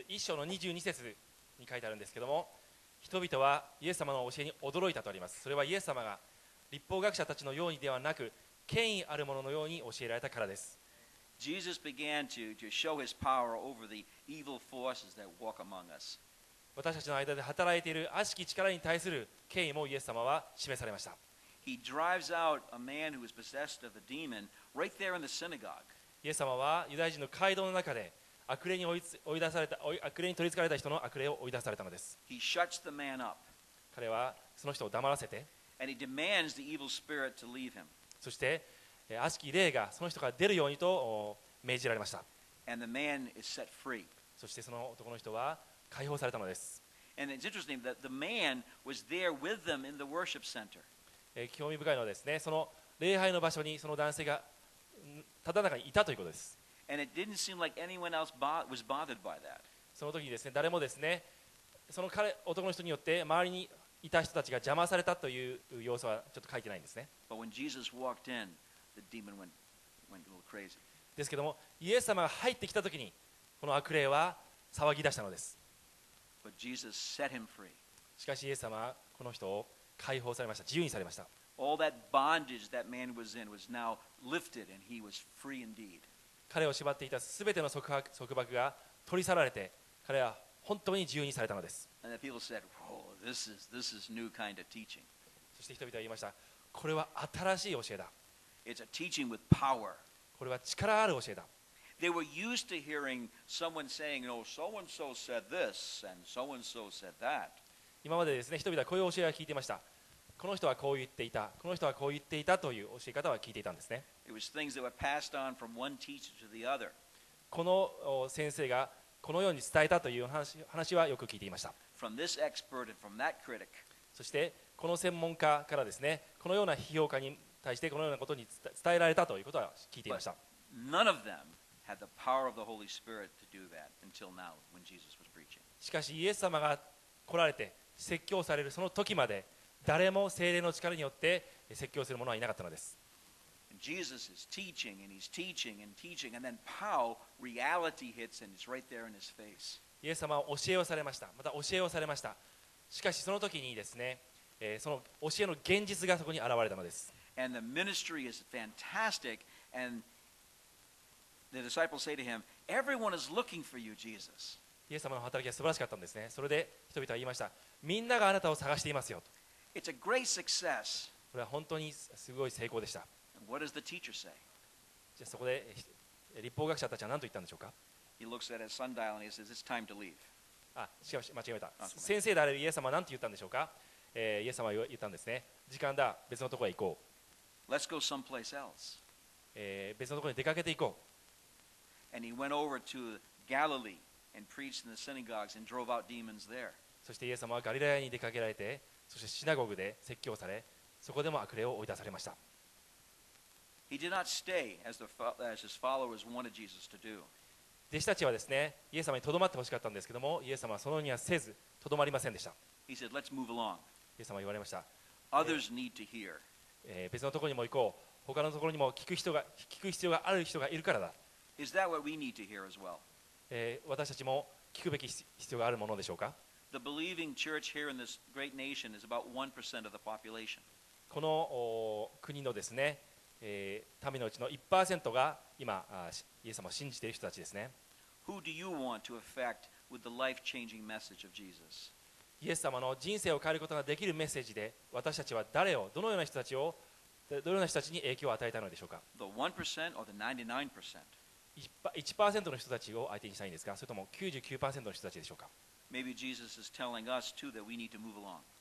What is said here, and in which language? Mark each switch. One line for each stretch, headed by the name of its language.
Japanese: 1章の22節に書いてあるんですけども、人々はイエス様の教えに驚いたとあります。それはイエス様が律法学者たちのようにではなく、権威ある者のように教えられたからです。
English: Jesus began to show his power over the evil forces that walk among us.
Japanese: 私たちの間で働いている悪しき力に対する権威もイエス様は示されました。
English: He drives out a man who is possessed of a demon right there in the synagogue.
Japanese: イエス様はユダヤ人の会堂の中で悪霊に取り憑かれた人の悪霊を追い出されたのです。
English: He shuts the man up.
Japanese: 彼はその人を黙らせて、
English: And he demands the evil spirit to leave him.
Japanese: そして悪しき霊がその人から出るようにと命じられました。
English: And the man is set free.
Japanese: そしてその男の人は解放されたのです。
English: And it's interesting that the man was there with them in the worship center.
Japanese: 興味深いのはですね、その礼拝の場所にその男性がただ中にいたということです。
English: And it didn't seem like anyone else was bothered by that.
Japanese: その時にですね、誰もですね、その彼男の人によって周りにいた人たちが邪魔されたという様子はちょっと書いてないんですね。
English: But when Jesus walked in, the demon went a little crazy.
Japanese: ですけども、イエス様が入ってきた時にこの悪霊は騒ぎ出したのです。
English: But Jesus set him free.
Japanese: しかしイエス様はこの人を解放されました。自由にされました。
English: All that bondage that man was in was now lifted and he was free indeed.
Japanese: 彼を縛っていた全ての束縛が取り去られて、彼は本当に自由にされたのです。
English: And the people said, "Whoa, this is new kind of teaching."
Japanese: そして人々は言いました。これは新しい教えだ。
English: It's a teaching with power.
Japanese: これは力ある教えだ。
English: They were used to hearing someone saying, oh, so-and-so said this, and so-and-so said that.
Japanese: 今までですね、人々はこういう教えを聞いていました。この人はこう言っていた、この人はこう言っていたという教え方は聞いていたんですね。
English: It was things that were passed on from one teacher to the other.
Japanese: この先生がこのように伝えたという話はよく聞いていました。
English: From this expert and from that critic.
Japanese: そしてこの専門家からですね、このような批評家に対してこのようなことに伝えられたということは聞いていました。
English: None of them had the power of the Holy Spirit to do that until now when Jesus was preaching.
Japanese: しかしイエス様が来られて説教されるその時まで誰も聖霊の力によって説教する者はいなかったのです。
English: Jesus is teaching and he's teaching and teaching and then pow, reality hits and it's right there in his face.
Japanese: イエス様は教えをされました。また教えをされました。しかしその時にですね、その教えの現実がそこに現れたのです。
English: And the ministry is fantastic and the disciples say to him, everyone is looking for you, Jesus.
Japanese: イエス様の働きは素晴らしかったんですね。それで人々は言いました。みんながあなたを探していますよと。
English: It's a great success.
Japanese: これは本当にすごい成功でした。
English: What does the teacher say?
Japanese: じゃあそこで律法学者たちは何と言ったんでしょうか。
English: He looks at his sundial and he says, "It's time to leave."
Japanese: あ、しかし間違えた。先生であるイエス様は何と言ったんでしょうか。イエス様は言ったんですね。時間だ。別のところへ行こう。
English: Let's go someplace else.
Japanese: 別のところに出かけて行こう。
English: And he went over to Galilee and preached in the synagogues and drove out demons there.
Japanese: そしてイエス様はガリラヤに出かけられて。そしてシナゴグで説教され、そこでも悪霊を追い出されました。
English: He did not stay as his followers wanted Jesus to do.
Japanese: 弟子たちはですね、イエス様にとどまってほしかったんですけども、イエス様はそのようにはせず、とどまりませんでした。
English: He said, "Let's move along."
Japanese: イエス様は言われました。
English: Others need to hear.
Japanese: 別のところにも行こう。他のところにも聞く必要がある人がいるからだ。
English: Is that what we need to hear as well?
Japanese: 私たちも聞くべき必要があるものでしょうか。
English: The believing church here in this great nation is about 1% of the population.
Japanese: この国のですね、民のうちの 1% が今イエス様を信じている人たちですね。
English: Who do you want to affect with the life-changing message of Jesus?
Japanese: イエス様の人生を変えることができるメッセージで私たちは誰をどのような人たちをどのような人たちに影響を与えたのでしょうか。
English: The 1% or the 99%?
Japanese: 1% の人たちを相手にしたいんですか、それとも 99% の人たちでしょうか。
English: Maybe Jesus is telling us too that we need to move along.